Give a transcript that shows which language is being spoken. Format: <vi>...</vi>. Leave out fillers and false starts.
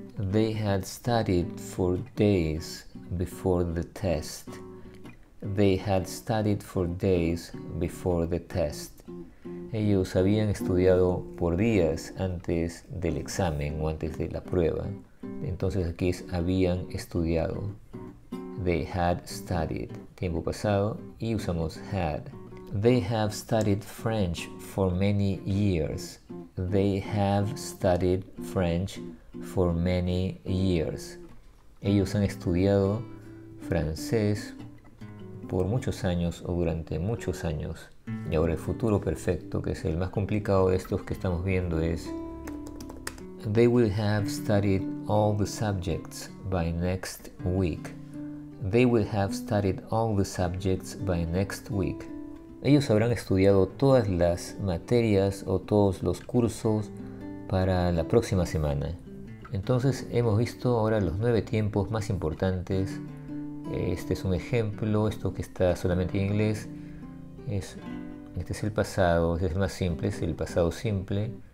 <en>They had studied for days before the test. They had studied for days before the test.</en> <es>Ellos habían estudiado por días antes del examen o antes de la prueba. Entonces aquí es habían estudiado.</es> <en>They had studied.</en> <es>Tiempo pasado y usamos had.</es> <en>They have studied French for many years. They have studied French for many years.</en> <es>Ellos han estudiado francés por muchos años o durante muchos años. Y ahora el futuro perfecto, que es el más complicado de estos que estamos viendo, es</es> <en>they will have studied all the subjects by next week. They will have studied all the subjects by next week.</en> <es>Ellos habrán estudiado todas las materias o todos los cursos para la próxima semana. Entonces hemos visto ahora los nueve tiempos más importantes. Este es un ejemplo, esto que está solamente en inglés. Este es el pasado, este es más simple, es el pasado simple.</es>